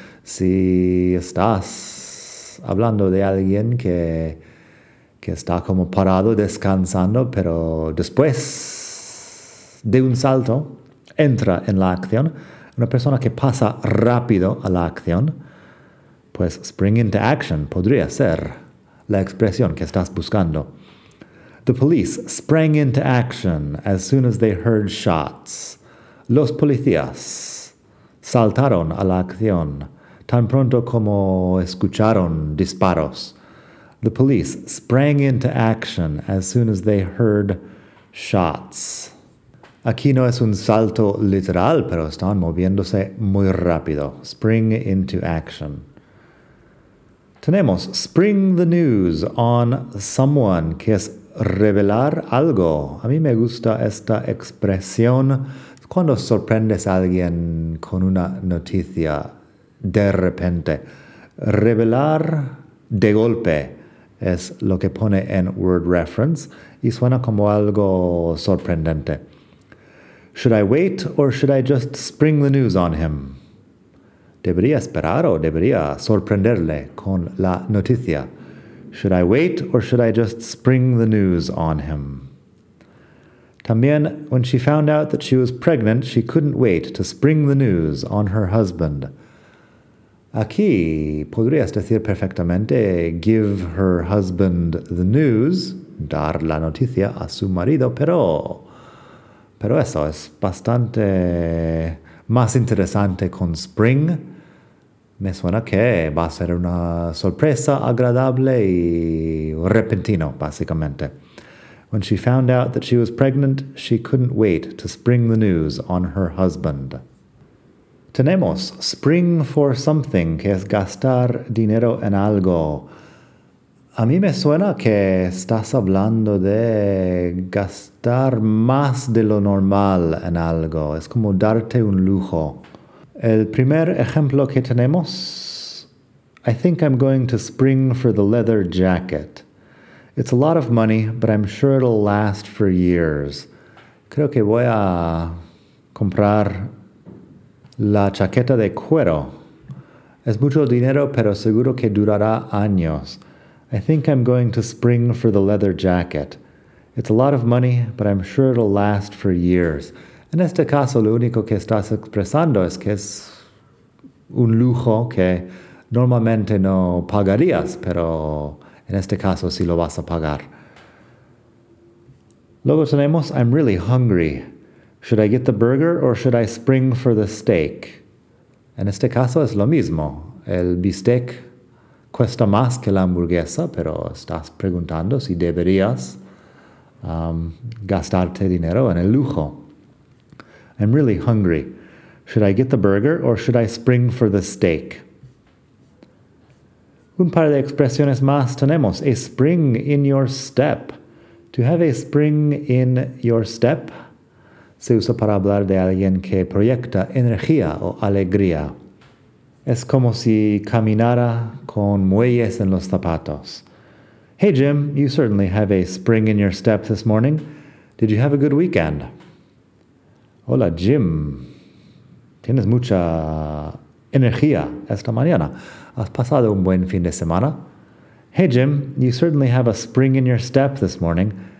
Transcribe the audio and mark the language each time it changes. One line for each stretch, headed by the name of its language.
Spanish: Si estás hablando de alguien que está como parado, descansando, pero después de un salto, entra en la acción. Una persona que pasa rápido a la acción, pues
English: spring into action
Spanish: podría ser la expresión que estás buscando.
English: The police sprang into action as soon as they heard shots.
Spanish: Los policías saltaron a la acción tan pronto como escucharon disparos.
English: The police sprang into action as soon as they heard shots.
Spanish: Aquí no es un salto literal, pero están moviéndose muy rápido.
English: Spring into action.
Spanish: Tenemos
English: spring the news on someone,
Spanish: que es revelar algo. A mí me gusta esta expresión cuando sorprendes a alguien con una noticia de repente. Revelar de golpe es lo que pone en Word Reference y suena como algo sorprendente.
English: Should I wait or should I just spring the news on him?
Spanish: Debería esperar o debería sorprenderle con la noticia.
English: Should I wait or should I just spring the news on him?
Spanish: También,
English: when she found out that she was pregnant, she couldn't wait to spring the news on her husband.
Spanish: Aquí podrías decir perfectamente,
English: give her husband the news,
Spanish: dar la noticia a su marido, pero eso es bastante más interesante con spring. Me suena que va a ser una sorpresa agradable y repentino, básicamente.
English: When she found out that she was pregnant, she couldn't wait to spring the news on her husband.
Spanish: Tenemos spring for something, que es gastar dinero en algo. A mí me suena que estás hablando de gastar más de lo normal en algo. Es como darte un lujo. El primer ejemplo que tenemos,
English: I think I'm going to spring for the leather jacket. It's a lot of money, but I'm sure it'll last for years.
Spanish: Creo que voy a comprar la chaqueta de cuero. Es mucho dinero, pero seguro que durará años.
English: I think I'm going to spring for the leather jacket. It's a lot of money, but I'm sure it'll last for years.
Spanish: En este caso, lo único que estás expresando es que es un lujo que normalmente no pagarías, pero en este caso sí lo vas a pagar. Luego tenemos,
English: I'm really hungry. Should I get the burger or should I spring for the steak?
Spanish: En este caso es lo mismo. El bistec cuesta más que la hamburguesa, pero estás preguntando si deberías gastarte dinero en el lujo.
English: I'm really hungry. Should I get the burger or should I spring for the steak?
Spanish: Un par de expresiones más tenemos.
English: A spring in your step. To have a spring in your step
Spanish: se usa para hablar de alguien que proyecta energía o alegría. Es como si caminara con muelles en los zapatos.
English: Hey Jim, you certainly have a spring in your step this morning. Did you have a good weekend?
Spanish: Hola Jim, tienes mucha energía esta mañana. ¿Has pasado un buen fin de semana?
English: Hey Jim, you certainly have a spring in your step this morning.